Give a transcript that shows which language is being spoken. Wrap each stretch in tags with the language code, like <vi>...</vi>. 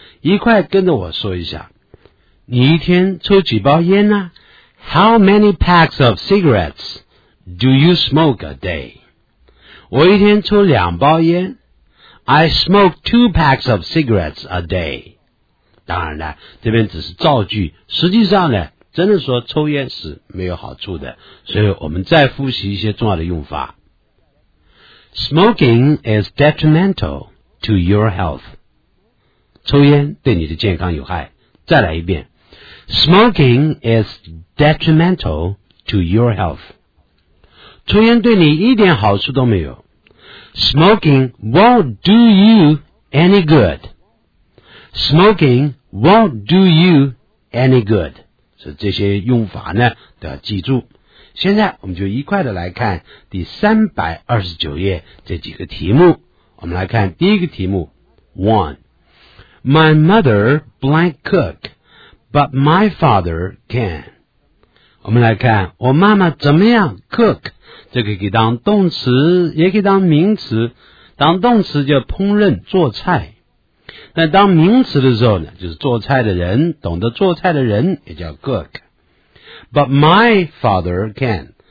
<zh>一块跟着我说一下，你一天抽几包烟呢？</zh> <en>How many packs of cigarettes do you smoke a day?</en> <zh>我一天抽两包烟。</zh> <en>I smoke two packs of cigarettes a day.</en> <zh>当然了，这边只是造句，实际上呢，真的说抽烟是没有好处的，所以我们再复习一些重要的用法。</zh> <en>Smoking is detrimental to your health.</en> <zh>抽烟对你的健康有害。再来一遍。</zh> <en>Smoking is detrimental to your health.</en> <zh>抽烟对你一点好处都没有。</zh> <en>Smoking won't do you any good. Smoking won't do you any good.</en> <zh>所以这些用法呢都要记住。现在我们就一块的来看第329页这几个题目。我们来看第一个题目。</zh> <en>One. My mother blank cook, but my father can.</en> <zh>我们来看我妈妈怎么样</zh> <en>cook,</en> <zh>这个可以当动词也可以当名词，当动词叫烹饪做菜。那当名词的时候呢，就是做菜的人，懂得做菜的人也叫 cook。</zh> <en>But my father can,</en>